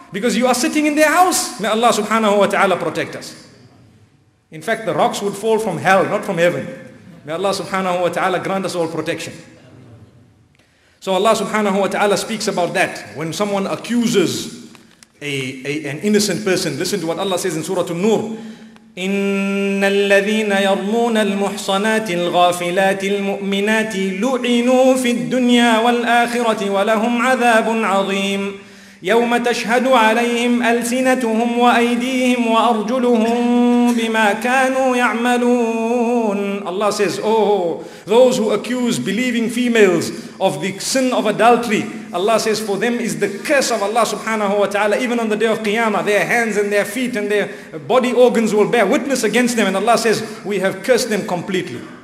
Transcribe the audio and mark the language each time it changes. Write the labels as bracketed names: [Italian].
[English] Because you are sitting in their house. May Allah subhanahu wa ta'ala protect us. In fact, the rocks would fall from hell, not from heaven. May Allah subhanahu wa ta'ala grant us all protection. So Allah subhanahu wa ta'ala speaks about that. When someone accuses an innocent person, listen to what Allah says in Surah An-Nur. [Arabic] إن الذين يرمون المحصنات الغافلات المؤمنات لعنوا في الدنيا والآخرة ولهم عذاب عظيم يوم تشهد عليهم ألسنتهم وأيديهم وأرجلهم بما كانوا يعملون. [English] Allah says, oh, those who accuse believing females of the sin of adultery, Allah says, for them is the curse of Allah subhanahu wa ta'ala. Even on the day of Qiyamah, their hands and their feet and their body organs will bear witness against them. And Allah says, we have cursed them completely.